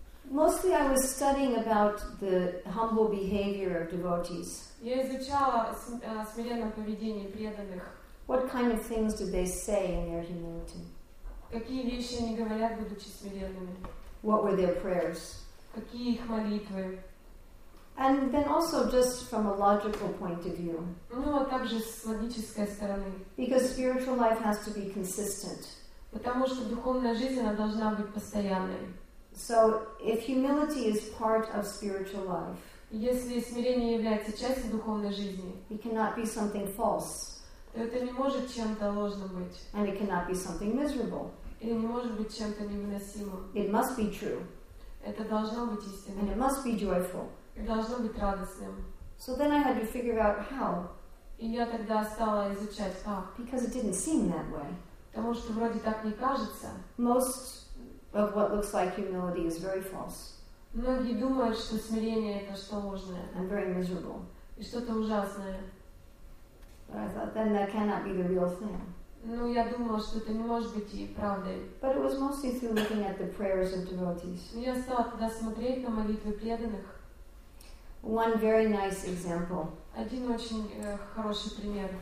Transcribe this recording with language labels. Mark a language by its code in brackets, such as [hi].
[en] Mostly I was studying about the humble behavior of devotees. [ru] Я изучала смиренное поведение преданных. [en] What kind of things do they say in their humility? [ru] Какие вещи они говорят, будучи смиренными? [en] What were their prayers? [ru] Какие их молитвы? [en] And then also just from a logical point of view. [ru] Ну, а также с логической стороны. [en] Because spiritual life has to be consistent. [ru] Потому что духовная жизнь, она должна быть постоянной. [en] So, if humility is part of spiritual life, [ru] если смирение является частью духовной жизни, [en] it cannot be something false. [ru] Это не может чем-то ложным быть. [en] And it cannot be something miserable. [ru] Или не может быть чем-то невыносимым. [en] It must be true. [ru] Это должно быть истинным. [en] And it must be joyful. [ru] И должно быть радостным. [en] So then I had to figure out how. [ru] И я тогда стала изучать как. [en] Because it didn't seem that way. [ru] Потому что вроде так не кажется. [en] Most of what looks like humility is very false. [ru] Многие думают, что смирение это что ложное. [en] And very miserable. [ru] И что-то ужасное. [en] But I thought, then that cannot be the real thing. [ru] Ну, я думала, что это не может быть и правдой. [en] But it was mostly through looking at the prayers of devotees. [ru] Я стала тогда смотреть на молитвы преданных. [en] One very nice example. [ru] Один очень хороший пример.